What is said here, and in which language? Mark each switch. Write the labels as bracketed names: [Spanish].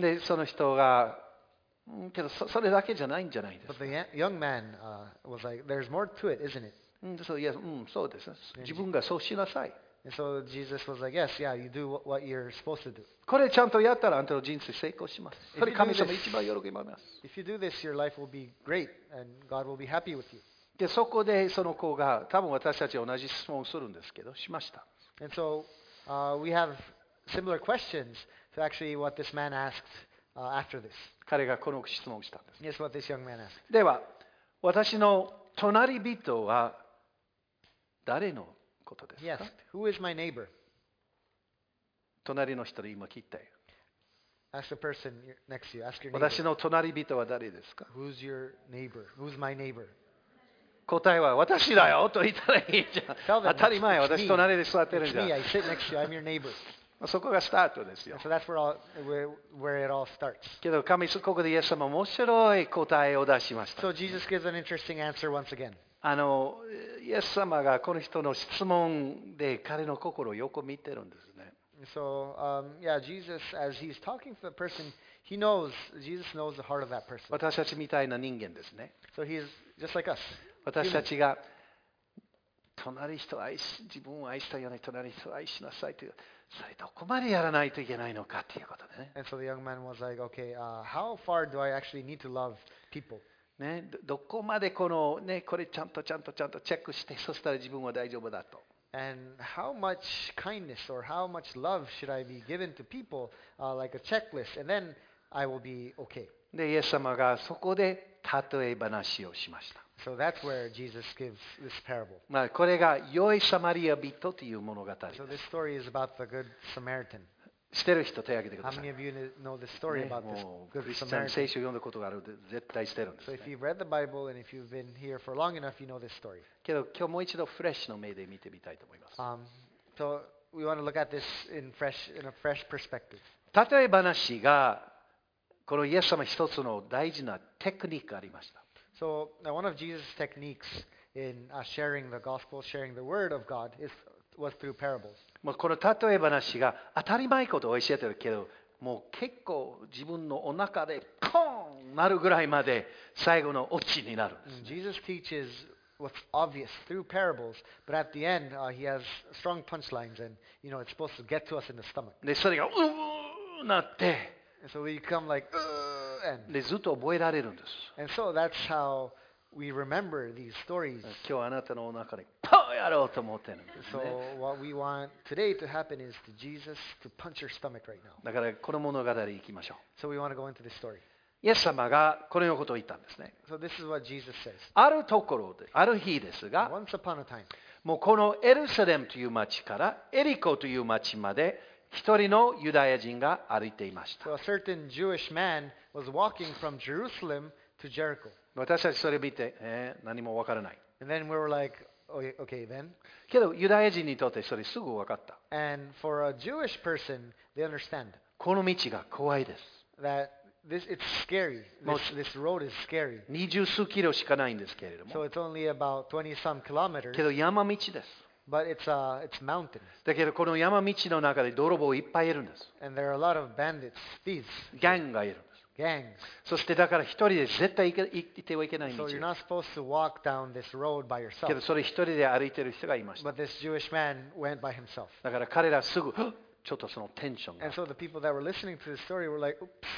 [Japanese] で、その人が、けど それだけじゃないんじゃないですか。 [English] But the young man was like, "There's more to it, isn't it?" [Japanese] そう、いや、そうです。自分がそうしなさい。 [English] And so Jesus was like, yes, yeah, you do what you're supposed to do. [Japanese] これちゃんとやったらあなたの人生成功します。それ神様一番喜びます。 [English] If you do this, your life will be great and God will be happy with you. [Japanese] で、そこでその子が多分私たち同じ質問をするんですけど、しました。 [English] And so, we have similar questions to actually what this man asked, after this. [Japanese] 彼がこの質問をしたんです。 [English] Yes, what this young man asked. [Japanese] では、私の隣人は誰のことですか? [English] Yes, who is my neighbor? [Japanese] 隣の人に今聞いたよ。 [English] Ask the person next to you. Ask your neighbor. [Japanese] 私の隣人は誰ですか? [English] Who's your neighbor? Who's my neighbor? [Japanese] 答えは私だよと言ったらいいじゃん。 [English] Them, [Japanese] 当たり前、私隣で座ってるじゃん。 [English] It's me. I sit next to you. I'm your neighbor. [Japanese] そこがスタートですよ。 [English] So that's where, all, where it all starts. [Japanese] けど神様、ここでイエス様、面白い答えを出しました。 [English] So Jesus gives an interesting answer once again. [Japanese] あのイエス様がこの人の質問で彼の心をよく見てるんですね。 [English] So, yeah, Jesus, as he's talking to the person, he knows, Jesus knows the heart of that person. [Japanese] 私たちみたいな人間ですね。 [English] So he's just like us. [Japanese] 私たちが隣人を愛し、自分を愛したように隣人を愛しなさいという、それどこまでやらないといけないのかということでね。 [English] And so the young man was like, okay, how far do I actually need to love people? [Japanese] ね、どこまでこのね、これちゃんとちゃんとちゃんとチェックして、そしたら自分は大丈夫だと。 [English] And how much kindness or how much love should I be given to people, like a checklist, and then I will be okay. [Japanese] で、イエス様がそこで例え話をしました。 [English] So that's where Jesus gives this parable. [Japanese] まあ、これが良いサマリア人という物語です。 [English] So this story is about the good Samaritan. [Japanese] 知ってる人手を挙げてください。 [English] How many of you know the story about this good Samaritan? [Japanese] クリスチャン聖書を読んだことがあるので絶対知ってるんです、ね。 [English] So if you've read the Bible and if you've been here for long enough, you know this story. [Japanese] けど今日もう一度フレッシュの目で見てみたいと思います。 [English] So we want to look at this in a fresh perspective. [Japanese] 例え話がこのイエス様一つの大事なテクニックがありました。 [English] So one of Jesus' techniques in sharing the gospel, sharing the word of God is was through parables. [Japanese] まあ、この例え話が当たり前ことを教えてるけど、もう結構自分のお腹でコーンなるぐらいまで最後のオチになるんです、ね。 [English] Jesus teaches what's obvious through parables, but at the end, he has strong punchlines, and you know it's supposed to get to us in the stomach. [Japanese] で、それがうーなって、 [English] and so we come like and [Japanese] でずっと覚えられるんです。 [English] And so that's how we remember these stories. [Japanese] 今日あなたのお腹でポーやろうと思ってるんですね。 [English] So what we want today to happen is to Jesus to punch your stomach right now. [Japanese] だからこの物語に行きましょう。 [English] So we want to go into this story. [Japanese] イエス様がこのようなことを言ったんですね。 [English] So this is what Jesus says. [Japanese] あるところで、ある日ですが、 [English] Once upon a time. [Japanese] もうこのエルサレムという町からエリコという町まで一人のユダヤ人が歩いていました。 [English] So a certain Jewish man was walking from Jerusalem to Jericho. [Japanese] 私たちそれ見て、何もわからない。 [English] And then we were like,Okay, then. [Japanese] けどユダヤ人にとってそれすぐ分かった。 [English] And for a Jewish person, they understand. [Japanese] この道が怖いです。 [English] That this it's scary. This road is scary. [Japanese] 20数キロしかないんですけれども。 [English] So it's only about 20 some kilometers. [Japanese] けど山道です。 [English] But it's mountain. [Japanese] だけどこの山道の中で泥棒いっぱいいるんです。 [English] And there are a lot of bandits, thieves. [Japanese] ギャングがいる。 [English] Gangs. [Japanese] そしてだから一人で絶対行ってはいけない道。 [English] So you're not supposed to walk down this road by yourself. [Japanese] けどそれ一人で歩いてる人がいました。 [English] But this Jewish man went by himself. [Japanese] だから彼らすぐちょっとそのテンションが。 [English] And so the people that were listening to the story were like, oops.